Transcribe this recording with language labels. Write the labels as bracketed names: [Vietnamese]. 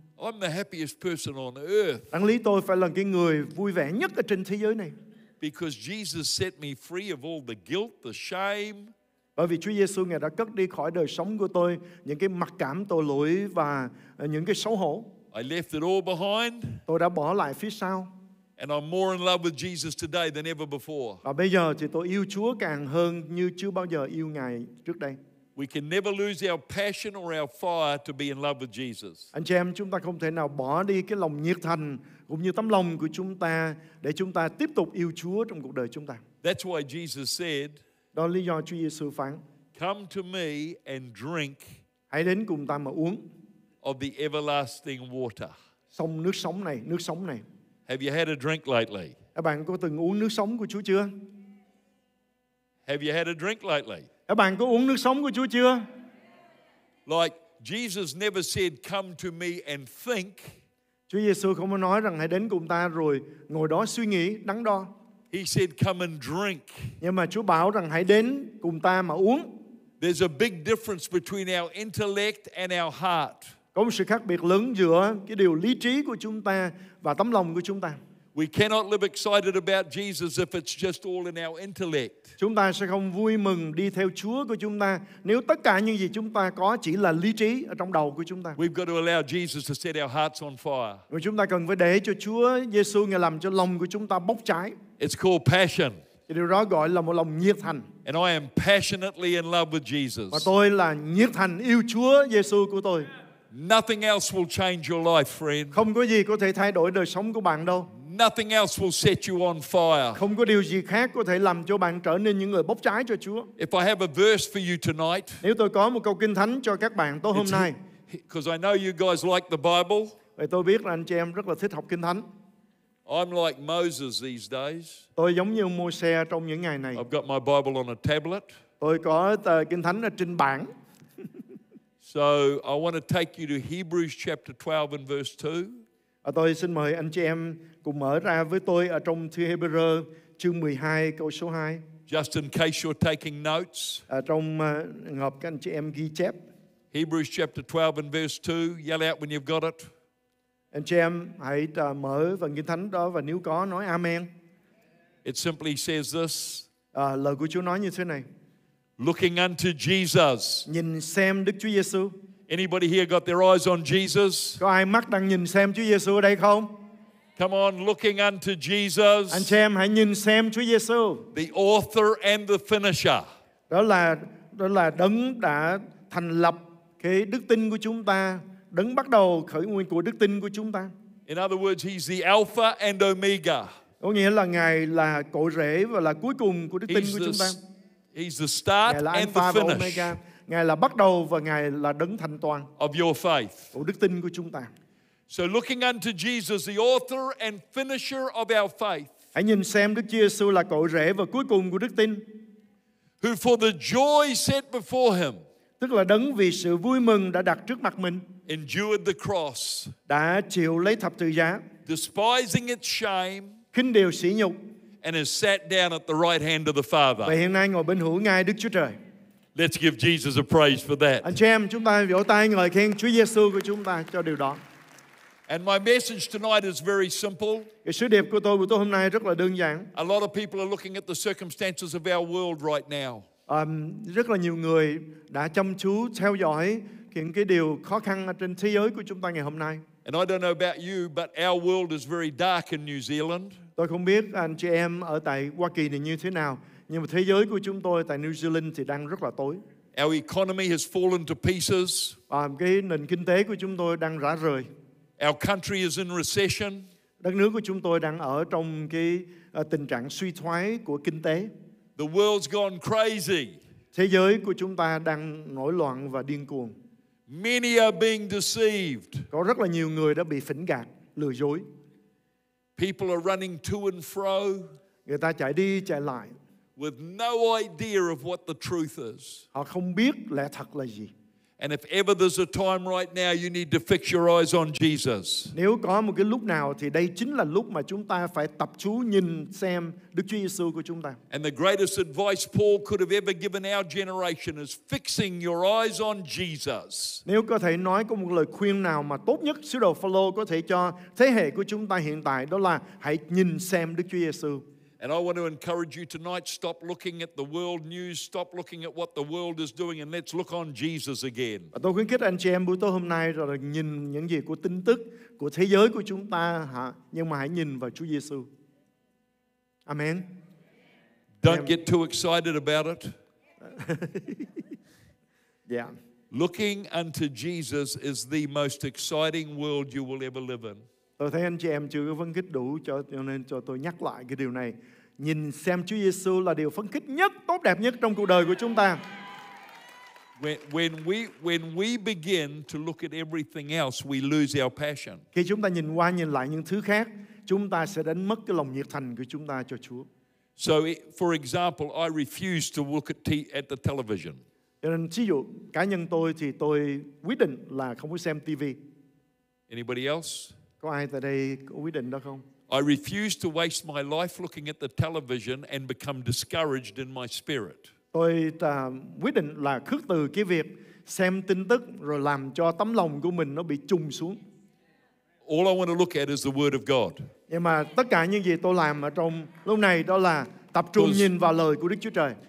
[English] I'm the happiest person on earth. [Vietnamese] Đáng lý tôi phải là cái người vui vẻ nhất ở trên thế giới này. [English] Because Jesus set me free of all the guilt, the shame. [Vietnamese] Bởi vì Chúa Giêsu ngài đã cất đi khỏi đời sống của tôi những cái mặc cảm tội lỗi và những cái xấu hổ. [English] I left it all behind. [Vietnamese] Tôi đã bỏ lại phía sau. [English] And I'm more in love with Jesus today than ever before. [Vietnamese] Và bây giờ thì tôi yêu Chúa càng hơn như chưa bao giờ yêu ngài trước đây. [English] We can never lose our passion or our fire to be in love with Jesus. [Vietnamese] Anh chị em, chúng ta không thể nào bỏ đi cái lòng nhiệt thành cũng như tấm lòng của chúng ta để chúng ta tiếp tục yêu Chúa trong cuộc đời chúng ta. [English] That's why Jesus said, [Vietnamese] đó là lý do Chúa Giêsu phán, [English] come to me and drink, [Vietnamese] hãy đến cùng ta mà uống, [English] of the everlasting water, [Vietnamese] sông nước sống này, nước sống này. [English] Have you had a drink lately? [Vietnamese] Các bạn có từng uống nước sống của Chúa chưa? [English] Have you had a drink lately? [Vietnamese] Các bạn có uống nước sống của Chúa chưa? [English] Like Jesus never said, come to me and think. [Vietnamese] Chúa Giêsu không có nói rằng hãy đến cùng ta rồi ngồi đó suy nghĩ, đắn đo. [English] He said, come and drink. [Vietnamese] Nhưng mà Chúa bảo rằng hãy đến cùng ta mà uống. [English] There's a big difference between our intellect and our heart. [Vietnamese] Có một sự khác biệt lớn giữa cái điều lý trí của chúng ta và tấm lòng của chúng ta. [English] We cannot live excited about Jesus if it's just all in our intellect. [Vietnamese] Chúng ta sẽ không vui mừng đi theo Chúa của chúng ta nếu tất cả những gì chúng ta có chỉ là lý trí ở trong đầu của chúng ta. [English] We've got to allow Jesus to set our hearts on fire. [Vietnamese] Và chúng ta cần phải để cho Chúa Giêsu Ngài làm cho lòng của chúng ta bốc cháy. [English] It's called passion. [Vietnamese] Điều đó gọi là một lòng nhiệt thành. [English] And I am passionately in love with Jesus. [Vietnamese] Và tôi là nhiệt thành yêu Chúa Giêsu của tôi. [English] Nothing else will change your life, friend. [Vietnamese] Không có gì có thể thay đổi đời sống của bạn đâu. [English] Nothing else will set you on fire. [Vietnamese] Không có điều gì khác có thể làm cho bạn trở nên những người bốc cháy cho Chúa. [English] If I have a verse for you tonight. [Vietnamese] Nếu tôi có một câu kinh thánh cho các bạn tối hôm nay. [English] Because I know you guys like the Bible. [Vietnamese] Vì tôi biết là anh chị em rất là thích học kinh thánh. [English] I'm like Moses these days. [Vietnamese] Tôi giống như Môi-se trong những ngày này. [English] I've got my Bible on a tablet. [Vietnamese] Tôi có tờ kinh thánh ở trên bảng. [English] So I want to take you to Hebrews chapter 12 and verse 2. [Vietnamese] Tôi xin mời anh chị em cùng mở ra với tôi ở trong thư Hebrew chương 12 câu số 2. [English] Just in case you're taking notes. [Vietnamese] Trong ngọc các anh chị em ghi chép. [English] Hebrews chapter 12 and verse 2. Yell out when you've got it. [Vietnamese] Anh chị em hãy mở và nghe thánh đó và nếu có nói Amen. [English] It simply says this. [Vietnamese] Lời của Chúa nói như thế này. [English] Looking unto Jesus. [Vietnamese] Nhìn xem Đức Chúa Giêsu. [English] Anybody here got their eyes on Jesus? [Vietnamese] Có ai mắt đang nhìn xem Chúa Giêsu ở đây không? [English] Come on, looking unto Jesus. [Vietnamese] Anh chị em hãy nhìn xem Chúa Giêsu. [English] The author and the finisher. [Vietnamese] Đó là đấng đã thành lập cái đức tin của chúng ta, đấng bắt đầu khởi nguyên của đức tin của chúng ta. [English] In other words, he's the Alpha and Omega. [Vietnamese] Có nghĩa là Ngài là cội rễ và là cuối cùng của đức tin của chúng ta. [English] He's the start and the finish. [Vietnamese] Ngài là bắt đầu và Ngài là đấng thành toàn [English] of your faith. [Vietnamese] Của đức tin của chúng ta. [English] So looking unto Jesus, the author and finisher of our faith. [Vietnamese] Hãy nhìn xem Đức Giêsu là cội rễ và cuối cùng của đức tin. [English] Who for the joy set before him. [Vietnamese] Tức là đấng vì sự vui mừng đã đặt trước mặt mình. [English] Endured the cross. [Vietnamese] Đã chịu lấy thập tự giá. [English] Despising its shame. [Vietnamese] Khinh điều sỉ nhục. [English] And has sat down at the right hand of the Father. [Vietnamese] Và hiện nay ngồi bên hữu ngai Đức Chúa Trời. [English] Let's give Jesus a praise for that. [Vietnamese] Anh chị em, chúng ta vỗ tay ngợi khen Chúa Giêsu của chúng ta cho điều đó. [English] And my message tonight is very simple. [Vietnamese] Cái sứ điệp của tôi buổi tối hôm nay rất là đơn giản. [English] A lot of people are looking at the circumstances of our world right now. [Vietnamese] Rất là nhiều người đã chăm chú theo dõi những cái điều khó khăn ở trên thế giới của chúng ta ngày hôm nay. [English] And I don't know about you, but our world is very dark in New Zealand. [Vietnamese] Tôi không biết anh chị em ở tại Hoa Kỳ này như thế nào. Nhưng mà thế giới của chúng tôi tại New Zealand thì đang rất là tối. [English] Our economy has fallen to pieces. [Vietnamese] Cái nền kinh tế của chúng tôi đang rã rời. [English] Our country is in recession. [Vietnamese] Đất nước của chúng tôi đang ở trong cái tình trạng suy thoái của kinh tế. [English] The world's gone crazy. [Vietnamese] Thế giới của chúng ta đang nổi loạn và điên cuồng. [English] Many are being deceived. [Vietnamese] Có rất là nhiều người đã bị phỉnh gạt, lừa dối. [English] People are running to and fro. [Vietnamese] Người ta chạy đi chạy lại. [English] With no idea of what the truth is. [Vietnamese] Họ không biết lẽ thật là gì. [English] And if ever there's a time right now, you need to fix your eyes on Jesus. [Vietnamese] Nếu có một cái lúc nào thì đây chính là lúc mà chúng ta phải tập chú nhìn xem Đức Chúa Giêsu của chúng ta. [English] And the greatest advice Paul could have ever given our generation is fixing your eyes on Jesus. [Vietnamese] Nếu có thể nói có một lời khuyên nào mà tốt nhất sứ đồ Phaolô có thể cho thế hệ của chúng ta hiện tại đó là hãy nhìn xem Đức Chúa Giêsu. [English] And I want to encourage you tonight, stop looking at the world news, stop looking at what the world is doing, and let's look on Jesus again. [Vietnamese] Tôi khuyến khích anh chị em buổi tối hôm nay là nhìn những gì của tin tức, của thế giới của chúng ta, nhưng mà hãy nhìn vào Chúa Giêsu. [English] Amen. Don't get too excited about it. Yeah. Looking unto Jesus is the most exciting world you will ever live in. [Vietnamese] Tôi thấy anh chị em chưa có phấn khích đủ cho nên cho tôi nhắc lại cái điều này. Nhìn xem Chúa Giêsu là điều phấn khích nhất, tốt đẹp nhất trong cuộc đời của chúng ta. [English] When we begin to look at everything else, we lose our passion. [Vietnamese] Khi chúng ta nhìn qua nhìn lại những thứ khác, chúng ta sẽ đánh mất cái lòng nhiệt thành của chúng ta cho Chúa. [English] So, for example, I refuse to look at the television. [Vietnamese] Nên, ví dụ, cá nhân tôi thì tôi quyết định là không có xem TV. [English] Anybody else? [Vietnamese] Có ai tại đây có quyết định đó không? [English] I refuse to waste my life looking at the television and become discouraged in my spirit. [Vietnamese] Tôi quyết định là khước từ cái việc xem tin tức rồi làm cho tấm lòng của mình nó bị chùng xuống. [English] All I want to look at is the Word of God. [Vietnamese] Nhưng mà tất cả những gì tôi làm ở trong lúc này đó là tập trung nhìn vào lời của Đức Chúa Trời.